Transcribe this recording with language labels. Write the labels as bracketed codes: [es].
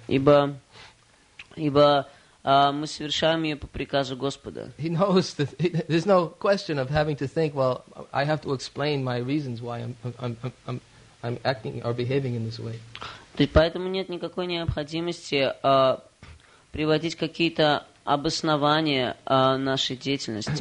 [ru] Ибо мы совершаем ее по приказу Господа. [en] He knows that there's no question of having to think, well, I have to explain my reasons why I'm acting or behaving in this way. [ru] То есть поэтому нет никакой необходимости приводить какие-то обоснования нашей деятельности.